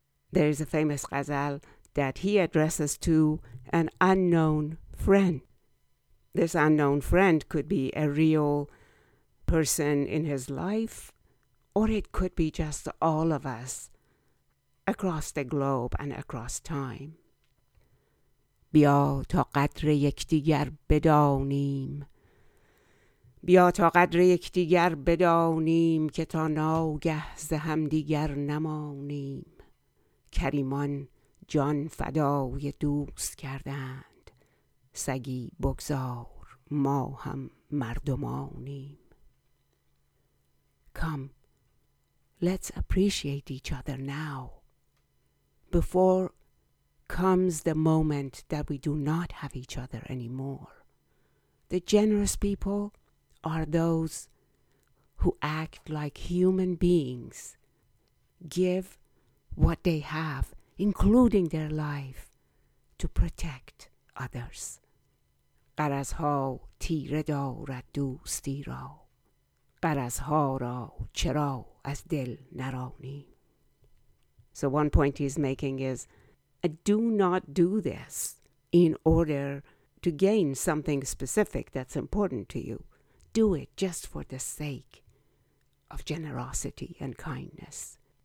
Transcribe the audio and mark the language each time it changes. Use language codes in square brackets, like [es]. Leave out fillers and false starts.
[en] There is a famous ghazal that he addresses to an unknown friend. This unknown friend could be a real person in his life, or it could be just all of us across the globe and across time. [fa] بیا تا قدر یکدیگر بدانیم. بیا تا قدر یکدیگر بدانیم که تا ناگه ز همدیگر نمانیم. کریمان جان فدای دوست کردند، سگی بگذار ما هم مردمانیم. [en] Come, let's appreciate each other now, before comes the moment that we do not have each other anymore. The generous people are those who act like human beings, give what they have, including their life, to protect others. [fa] قرزها تیره دارد دوستی را، قرزها را چرا از دل نرانی. [en] So one point he's making is Do not do this in order to gain something specific that's important to you. Do it just for the sake of generosity and kindness.